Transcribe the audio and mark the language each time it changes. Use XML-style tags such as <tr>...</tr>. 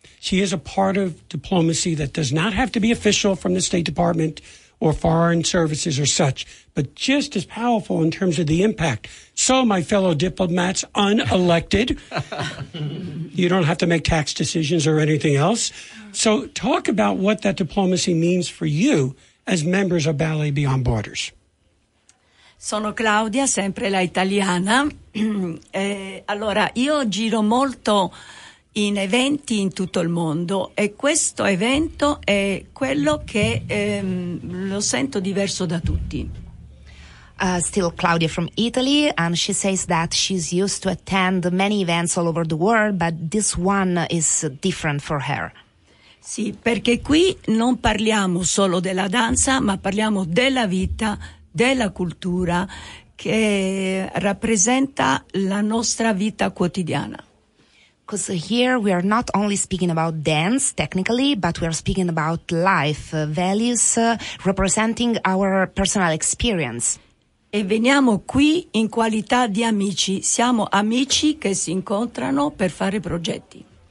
<en>She is a part of diplomacy that does not have to be official from the State Department or foreign services or such, but just as powerful in terms of the impact. So, my fellow diplomats, unelected, you don't have to make tax decisions or anything else. So talk about what that diplomacy means for you as members of Ballet Beyond Borders.</en> <it>Sono Claudia, sempre la italiana. Allora, io giro molto in eventi in tutto il mondo e questo evento è quello che lo sento diverso da tutti.</it> <en>Still Claudia from Italy, and she says that she's used to attend many events all over the world, but this one is different for her.</en> <it>Sì, perché qui non parliamo solo della danza, ma parliamo della vita, della cultura che rappresenta la nostra vita quotidiana.</it> <en>Because here we are not only speaking about dance technically, but we are speaking about life, values, representing our personal experience.</en> <it>E veniamo qui in qualità di amici. Siamo amici che si incontrano per fare progetti.</it>